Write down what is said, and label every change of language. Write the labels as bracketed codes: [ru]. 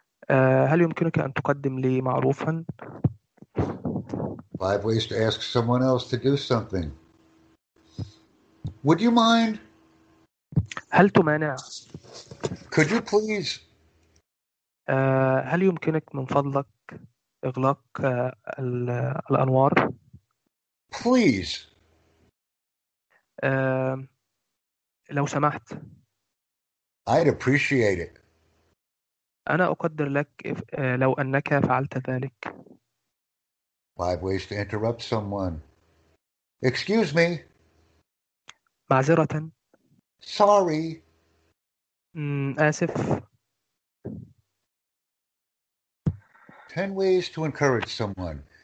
[ar] هل يمكنك أن تقدم لي معروفا؟ [en] Five ways to ask someone else to do something. Would you mind? [ar] هل تمانع؟ [en] Could you please? [ar] هل يمكنك من فضلك إغلاق الأنوار؟ [en] Please. [ar] لو سمحت. [en] I'd appreciate it. [ar] أنا أقدر لك لو أنك فعلت ذلك. [en] Five ways to interrupt someone. Excuse me. [ar] معذرة. [en] Sorry. [ar] آسف. [en] 10 ways to encourage someone.